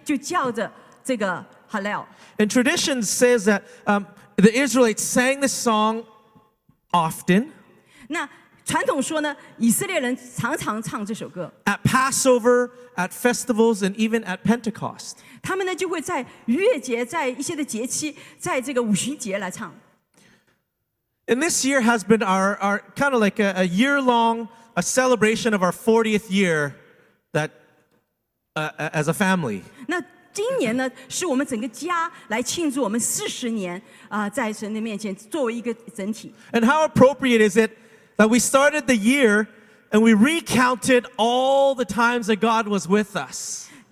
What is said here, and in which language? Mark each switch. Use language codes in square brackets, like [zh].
[zh] 虽然这个词没有用在这个歌里面，但整首诗篇呢就叫着这个Hallel. [en] And tradition says that the Israelites sang this song often. [zh] 那传统说呢，以色列人常常唱这首歌。 [en] At Passover, at festivals, and even at Pentecost. [zh] 他们呢就会在逾越节，在一些的节期，在这个五旬节来唱。 [en] And this year has been our kind of like a year-long a celebration of our 40th year that as a family. [zh] 那今年呢，是我们整个家来庆祝我们40年在神的面前作为一个整体。 [en] And how appropriate is it that we started the year and we recounted all the times that God was with us?